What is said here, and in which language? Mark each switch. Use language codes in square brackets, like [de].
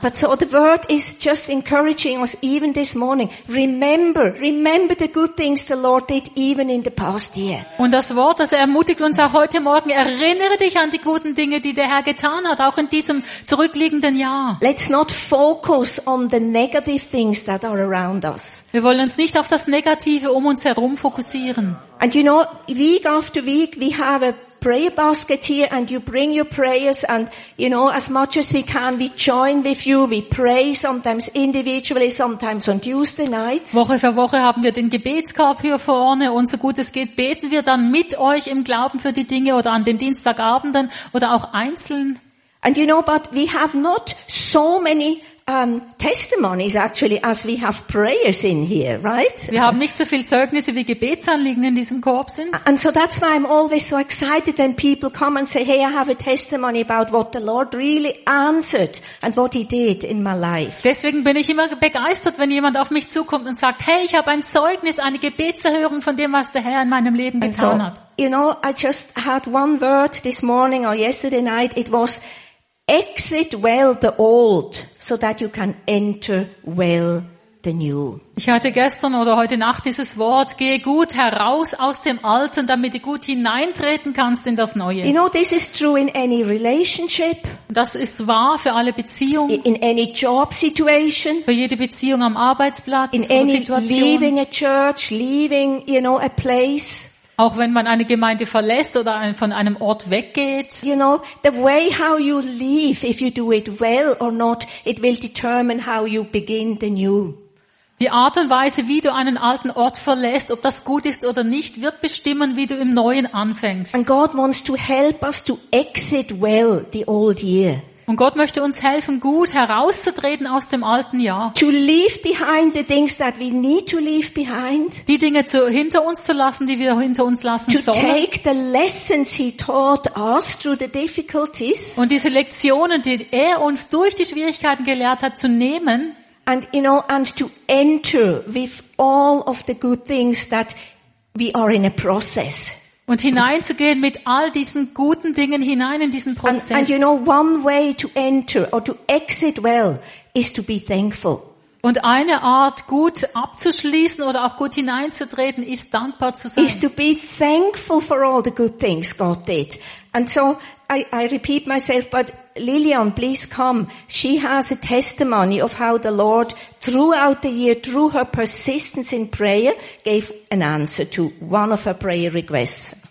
[en] But so the word is just encouraging us even this morning. Remember the good things the Lord did even in the past year. [de] Und das Wort, das ermutigt uns auch heute Morgen, erinnere dich an die guten Dinge, die der Herr getan hat, auch in diesem zurückliegenden Jahr. [en] Let's not focus on the negative things that are around us. [de] Wir wollen uns nicht auf das Negative um uns herum fokussieren. [en] And you know, week after week we have a prayer basket here and you bring your prayers and, you know, as much as we can, we join with you, we pray sometimes individually, sometimes on Tuesday nights. [de] Woche für Woche haben wir den Gebetskorb hier vorne und so gut es geht, beten wir dann mit euch im Glauben für die Dinge oder an den Dienstagabenden oder auch einzeln. [en] And you know, but we have not so many testimonies actually as we have prayers in here, right? [de] Wir haben nicht so viel Zeugnisse wie Gebetsanliegen in diesem Korb sind. [en] And so that's why I'm always so excited when people come and say, hey, I have a testimony about what the Lord really answered and what he did in my life. [de] Deswegen bin ich immer begeistert, wenn jemand auf mich zukommt und sagt, hey, ich habe ein Zeugnis, eine Gebetserhörung von dem, was der Herr in meinem Leben getan hat. [en] You know, I just had one word this morning or yesterday night. It was exit well the old, so that you can enter well the new. [de] Ich hatte gestern oder heute Nacht dieses Wort, gehe gut heraus aus dem Alten, damit du gut hineintreten kannst in das Neue. [en] You know, this is true in any relationship. [de] Das ist wahr für alle Beziehungen. [en] In any job situation. [de] Für jede Beziehung am Arbeitsplatz. [en] In any Situation. Leaving a church, leaving, you know, a place. [de] Auch wenn man eine Gemeinde verlässt oder von einem Ort weggeht. [en] You know, the way how you leave, if you do it well or not, it will determine how you begin the new. [de] Die Art und Weise, wie du einen alten Ort verlässt, ob das gut ist oder nicht, wird bestimmen, wie du im Neuen anfängst. [en] And God wants to help us to exit well the old year. [de] Und Gott möchte uns helfen, gut herauszutreten aus dem alten Jahr. [en] To leave behind the things that we need to leave behind. [de] Die Dinge zu hinter uns zu lassen, die wir hinter uns lassen [en] to [de] sollen. [en] To take the lessons he taught us through the difficulties. [de] Und diese Lektionen, die er uns durch die Schwierigkeiten gelehrt hat, zu nehmen. [en] And you know, and to enter with all of the good things that we are in a process. [de] Und hineinzugehen mit all diesen guten Dingen hinein in diesen Prozess. [en] And you know, one way to enter or to exit well is to be thankful. [de] Und eine Art, gut abzuschließen oder auch gut hineinzutreten, ist dankbar zu sein. [en] Is to be thankful for all the good things God did. And so I repeat myself, but Lillian, please come. She has a testimony of how the Lord throughout the year, through her persistence in prayer, gave an answer to one of her prayer requests.